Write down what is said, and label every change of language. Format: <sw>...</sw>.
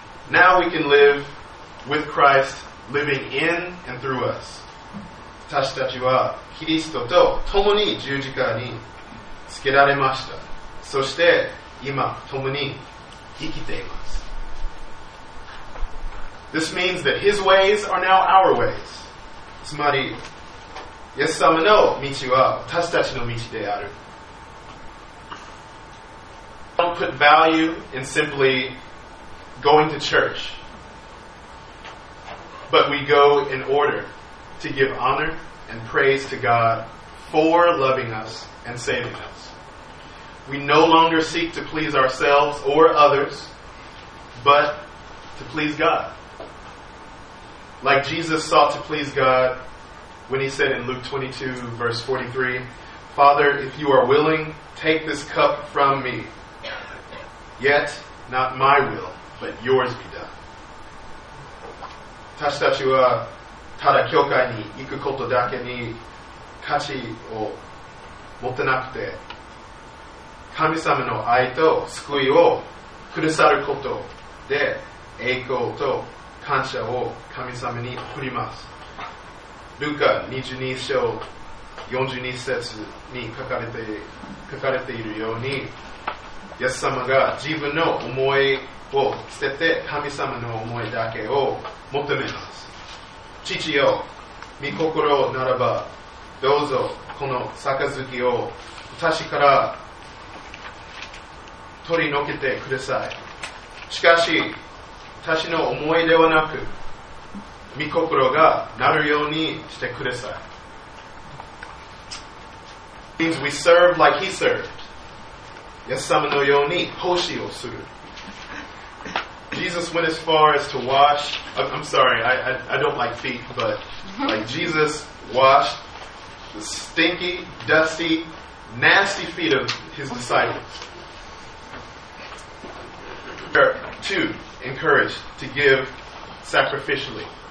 <en>Now we can live with Christ living in and through us.</en> <ja>私たちはキリストと共に十字架につけられました。そして今共に生きています。</ja> <en>This means that his ways are now our ways.</en> <ja>つまり、イエス様の道は私たちの道である。</ja> <en>Don't put value in simply going to church, but we go in order to give honor and praise to God for loving us and saving us. We no longer seek to please ourselves or others, but to please God. Like Jesus sought to please God when he said in Luke 22, verse 43, Father, if you are willing, take this cup from me. Yet, not my will, but yours be done.</en> <ja>私たちはただ教会に行くことだけに価値を持ってなくて、神様の愛と救いをくださることで栄光と感謝を神様に送ります。ルカ22章42節に書かれているように、イエス様が自分の思いを捨てて神様の思いだけを求めます。父よ、御心ならばどうぞこの杯を私から取り除けてください。しかし私の思いではなく、御心がなるようにしてください。</ja> <en>Means we serve like he served.</en> <ja>イエス様のように奉仕をする。</ja> <en>Jesus went as far as to wash. I'm sorry, I don't like feet, but like Jesus washed the stinky, dusty, nasty feet of his disciples. Two, encourage to give sacrificially.</en>